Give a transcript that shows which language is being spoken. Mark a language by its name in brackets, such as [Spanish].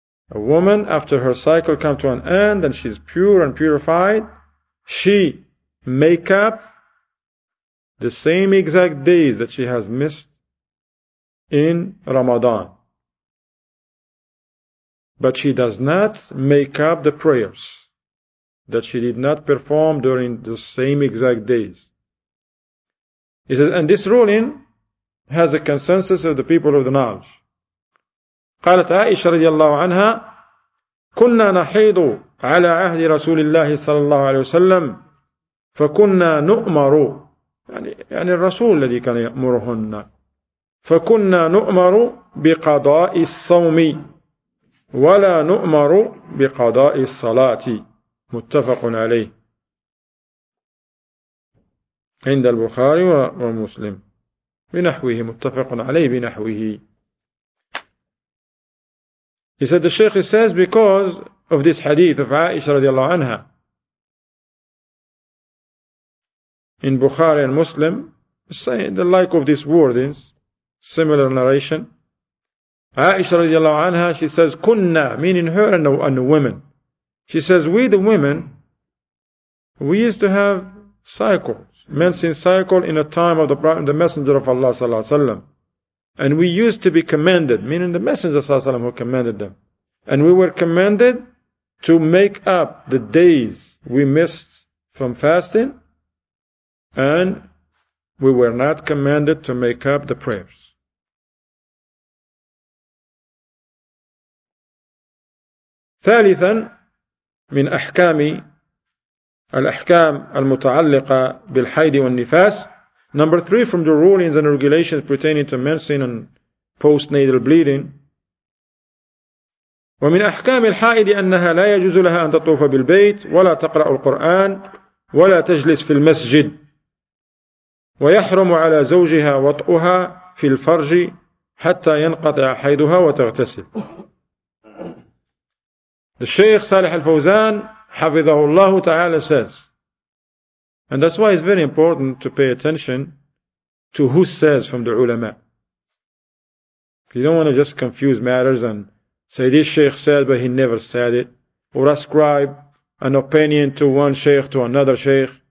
[English] A woman, after her cycle comes to an end and she's pure and purified, she make up the same exact days that she has missed in Ramadan, but she does not make up the prayers that she did not perform during the same exact days. He says, and this ruling has a consensus of the people of the knowledge. [Arabic] قالت عائشة رضي الله عنها كنا نحيض على عهد رسول الله صلى الله عليه وسلم فكنا نؤمر يعني الرسول الذي كان يأمرهن فكنا نؤمر بقضاء الصوم ولا نؤمر بقضاء الصلاة. متفق عليه عند البخاري ومسلم بنحوه. متفق عليه بنحوه. [English] He said, the Shaykh says, because of this hadith of Aisha radiallahu anha in Bukhari and Muslim, saying the like of these wordings, similar narration. Aisha radiallahu anha, she says, kunna, meaning her and the women. She says, we the women, we used to have cycles, menstruation cycle in the time of the Messenger of Allah sallallahu alaihi wasallam. And we used to be commanded, meaning the Messenger sallallahu alaihi wasallam who commanded them. And we were commanded to make up the days we missed from fasting, and we were not commanded to make up the prayers. [Arabic] Thalithan, من أحكام الأحكام المتعلقة بالحيض والنفاس. [English] Number three from the rulings and regulations pertaining to menstruation and postnatal bleeding. [Arabic] ومن أحكام الحائض أنها لا يجوز لها أن تطوف بالبيت ولا تقرأ القرآن ولا تجلس في المسجد، ويحرم على زوجها وطؤها في الفرج حتى ينقطع حيضها وتغتسل. [English] الشيخ صالح الفوزان [Arabic] حفظه الله تعالى [English] says, and that's why it's very important to pay attention to who says from the ulama. You don't want to just confuse matters and say this sheikh said but he never said it, or ascribe an opinion to one sheikh to another sheikh.